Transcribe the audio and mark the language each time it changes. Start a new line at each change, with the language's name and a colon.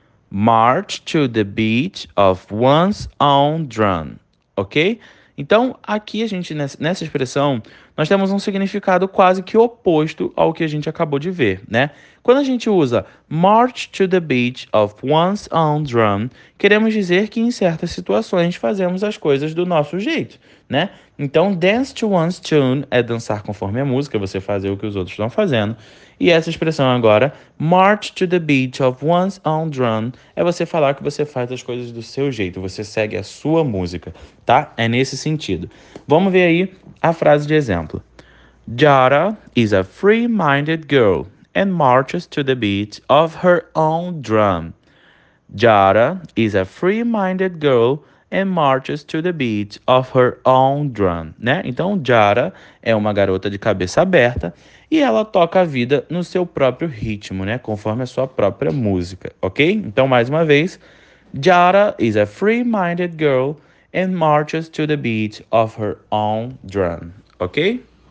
English: March to the beat of one's own drum. Ok?
Portuguese: Então, aqui a gente, nessa expressão, nós temos um significado quase que oposto ao que a gente acabou de ver, né? Quando a gente usa
English: march to the beat of one's own drum,
Portuguese: queremos dizer que em certas situações fazemos as coisas do nosso jeito, né? Então,
English: dance to one's tune
Portuguese: é dançar conforme a música, você fazer o que os outros estão fazendo. E essa expressão agora,
English: march to the beat of one's own drum,
Portuguese: é você falar que você faz as coisas do seu jeito, você segue a sua música, tá? É nesse sentido. Vamos ver aí a frase de exemplo.
English: Jara is a free-minded girl
Portuguese: and marches to the beat of her own drum. Jara is a free-minded girl
English: and marches to the beat of her own drum, né?
Portuguese: Então, Jara é uma garota de cabeça aberta e ela toca a vida no seu próprio ritmo, né? Conforme a sua própria música, ok? Então, mais uma vez,
English: Jara is a free-minded girl and marches to the beat of her own drum,
Portuguese: ok?